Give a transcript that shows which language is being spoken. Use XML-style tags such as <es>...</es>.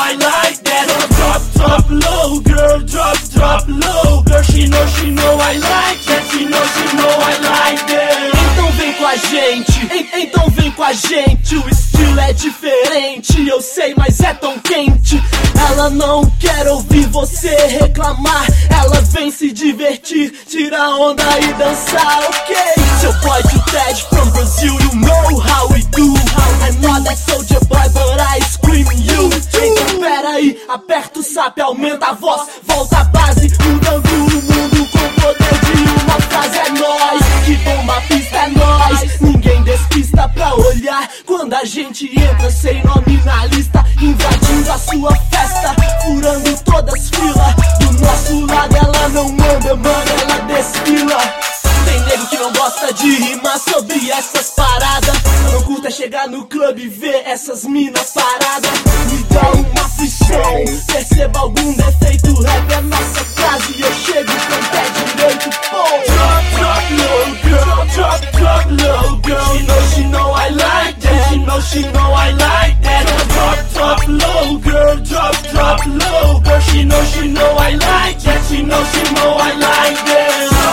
<en>Drop, drop low, girl, drop, drop low, girl. She know, she know I like that. She know, she know I like that.</en> <pt>Então vem com a gente, então vem com a gente. O estilo é diferente, eu sei, mas é tão quente. Ela não quer ouvir você reclamar. Ela vem se divertir, tirar onda e dançar, ok?</pt> <en>Seu boy de Ted from Brazil, you know how we do. I'm not a soldier boy, but I scream you too.</en> <pt>Então peraí, aperta o sap, aumenta a voz. Volta à base, mudando o mundo com o poder de uma frase. É nós que bomba a pista, é nós. Ninguém despista pra olhar quando a gente entra sem nome na lista. Invadindo a sua festa, furando todas as filas. Do nosso lado ela não manda, mano, ela desfila. Tem nego que não gosta de rimar sobre essas paradas. Eu não curto é chegar no clube e ver essas minas paradas. Me dá uma frição, perceba algum defeito. Rap é nossa frase, eu chego com pé direito, pô.</pt> <en>Drop, drop low, girl, drop, drop low, girl. She know I like that, she know I like that. Drop, drop low, girl, drop, drop low, girl. She know I like that, she know I like that.</en>